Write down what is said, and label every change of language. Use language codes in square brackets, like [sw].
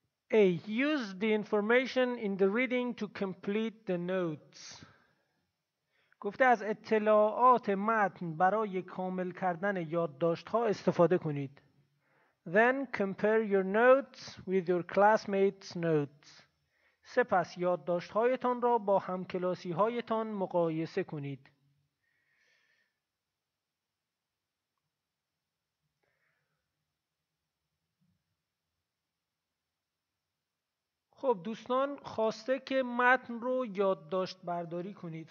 [en] A. Use the information in the reading to complete the notes. [fa] گفته از اطلاعات متن برای کامل کردن یادداشت‌ها استفاده کنید. [en] Then compare your notes with your classmates' notes. [fa] سپس یادداشت‌هایتان را با همکلاسی‌هایتان مقایسه کنید. خب دوستان، خواسته که متن رو یادداشت برداری کنید.